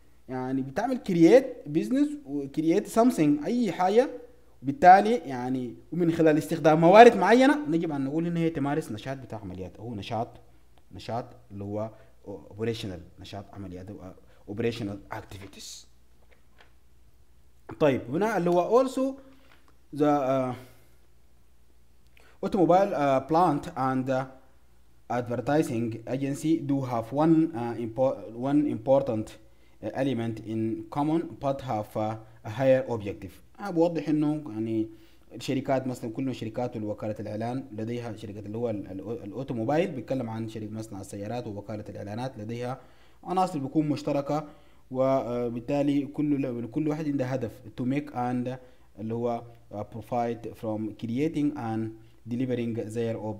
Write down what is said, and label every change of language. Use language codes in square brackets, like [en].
[ar] يعني بتعمل [en] create business [ar] و [en] create something [ar] أي حاجة بالتالي يعني ومن خلال استخدام موارد معينة نجب أن نقول إن هي تمارس نشاط بتاع عمليات أو نشاط اللي هو operational نشاط عمليات أو [en] operational activities. [ar] طيب هنا اللي هو [en] also the automobile plant and advertising agency do have one important element in common but have a higher objective. [ar] بوضح انه يعني الشركات مثلا كل شركات وكاله الاعلان لديها شركه اللي هو الاوتوموبايل بيتكلم عن شركه مصنع السيارات ووكاله الاعلانات لديها عناصر بيكون مشتركه وبالتالي كل واحد عنده هدف [en] to make and [ar] اللي هو [en] profit from creating and delivering their